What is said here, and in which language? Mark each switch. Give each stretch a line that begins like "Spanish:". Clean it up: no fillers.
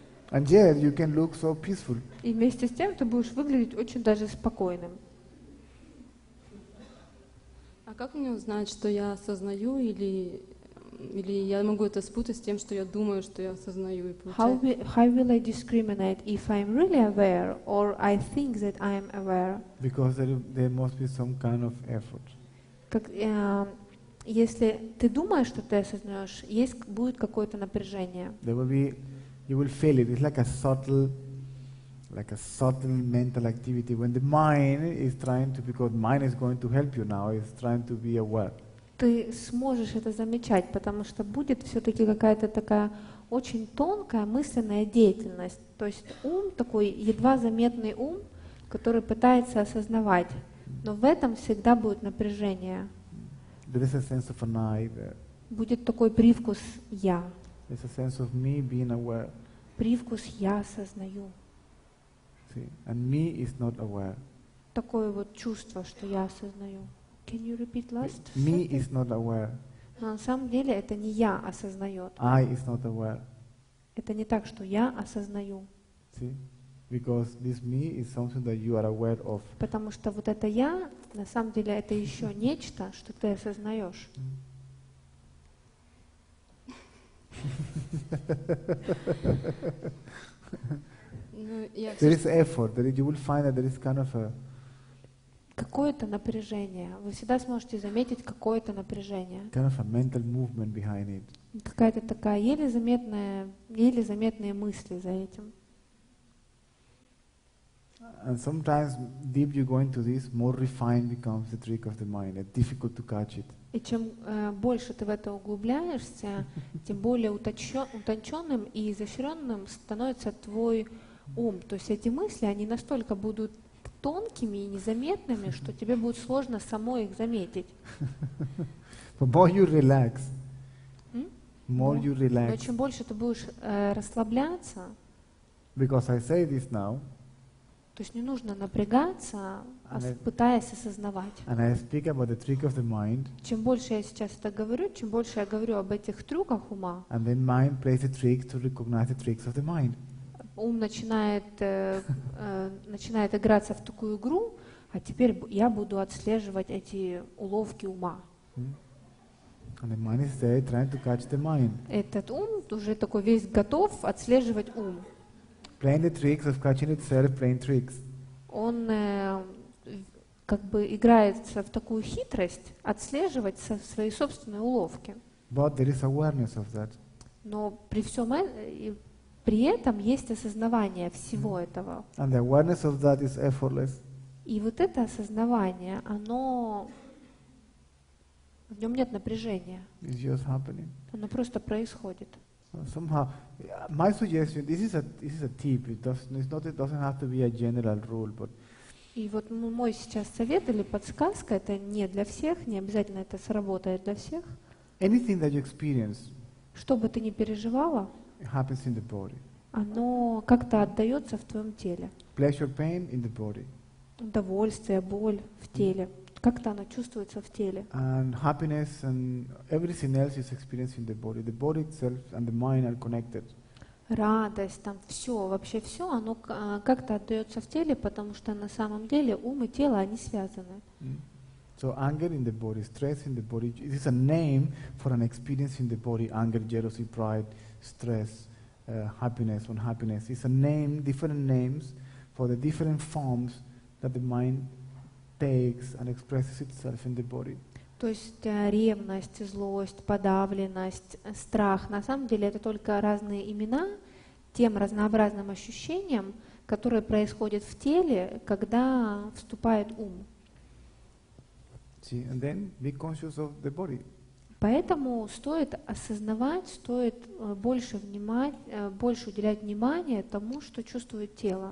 English: And yet you can look so peaceful.
Russian: И вместе с тем ты будешь выглядеть очень даже спокойным. А как мне узнать, что я осознаю или... Или я могу это спутать с тем, что я думаю, что я осознаю и получаю.
English: How will I discriminate if I'm really aware or I think that I'm aware? Because there must be some kind of effort.
Russian: Как если ты думаешь, что ты осознаешь, есть будет какое-то напряжение.
English: There will be, you will feel it. It's like a subtle mental activity when the mind is trying to, because mind is going to help you now, is trying to be aware.
Russian: Ты сможешь это замечать, потому что будет все-таки какая-то такая очень тонкая мысленная деятельность. То есть ум такой, едва заметный ум, который пытается осознавать. Но в этом всегда будет напряжение.
English: There is a sense of an I there.
Russian: Будет такой привкус «я».
English: There's a sense of me being aware.
Russian: Привкус «я осознаю».
English: See? And me is not aware.
Russian: Такое вот чувство, что «я осознаю».
English: Can you repeat last? Me is not aware.
Russian: Но на самом деле это не я осознает.
English: I is not aware.
Russian: Это не так, что я осознаю.
English: See? Because this me is something that you are aware of.
Russian: Потому что вот это я, на самом деле это еще нечто, что ты осознаешь.
English: There is effort. There is, you will find that there is kind of a
Russian: какое-то напряжение. Вы всегда сможете заметить какое-то напряжение.
English: Kind of a mental movement behind it.
Russian: Какая-то такая еле заметные мысли за этим.
English: And sometimes deep you go into this, more refined becomes the trick of the mind. It's difficult to catch it.
Russian: И чем больше ты в это углубляешься, тем более утонченным и изощренным становится твой ум. То есть эти мысли, они настолько будут тонкими и незаметными, что тебе будет сложно само их заметить.
English: But more you relax.
Russian: Но чем больше ты будешь расслабляться,
English: because I say this now,
Russian: то есть не нужно напрягаться, пытаясь осознавать.
English: And I speak about the trick of the mind,
Russian: чем больше я сейчас это говорю, чем больше я говорю об этих трюках ума,
English: and then mind plays a trick to recognize the tricks of the mind.
Russian: Ум начинает играться в такую игру, а теперь я буду отслеживать эти уловки ума.
English: And the mind is there trying to catch the mind.
Russian: Этот ум уже такой весь готов отслеживать ум.
English: Playing the tricks of catching itself, playing tricks.
Russian: Он как бы играется в такую хитрость отслеживать свои собственные уловки.
English: But there is awareness of that.
Russian: Но при всем при этом есть осознавание всего этого.
English: And the awareness of that is effortless.
Russian: И вот это осознавание, оно в нем нет напряжения.
English: It's just happening.
Russian: Оно просто происходит.
English: Somehow, my suggestion. This is a tip. It doesn't have to be a general rule, but.
Russian: И вот мой сейчас совет или подсказка это не для всех, не обязательно это сработает для всех.
English: Anything that you experience.
Russian: Что бы ты ни переживала.
English: It happens in the body.
Russian: Оно как-то отдается в твоем теле.
English: Pleasure, pain in the body.
Russian: Удовольствие, боль в теле. Как-то оно чувствуется в теле.
English: And happiness and everything else is experienced in the body. The body itself and the mind are connected.
Russian: Радость, там все, вообще все, оно как-то отдается в теле, потому что на самом деле ум и тело, они связаны.
English: So anger in the body, stress in the body, it is a name for an experience in the body. Anger, jealousy, pride, stress, happiness, unhappiness. It's a name, different names for the different forms that the mind takes and expresses itself in the body.
Russian: То есть ревность, злость, подавленность, страх. На самом деле это только разные имена тем разнообразным ощущениям, которые происходят в теле, когда вступает ум.
English: See, and then be conscious of the body.
Russian: Поэтому стоит осознавать, стоит больше уделять внимание тому, что чувствует тело.